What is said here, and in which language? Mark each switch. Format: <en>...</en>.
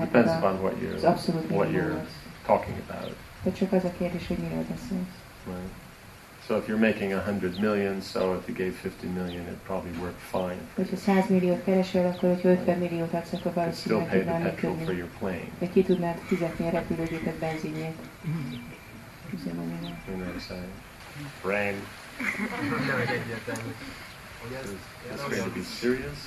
<en>Depends upon what you're, talking about.</en> <hu>De csak az a kérdés, hogy miről beszélsz.</hu> <en>So if you're making 100 million, so if you gave 50 million, it probably worked fine.</en> <hu>Hogyha 100 milliót keresel, akkor hogyha 50 milliót adsz, akkor valószínűleg ki tudnád fizetni.</hu> <en>For your plane.</en> <hu>De ki tudnád fizetni a repülőgépet, benzinjét.</hu> <en>You know what I'm saying? Brain. Is this going to be serious?</en>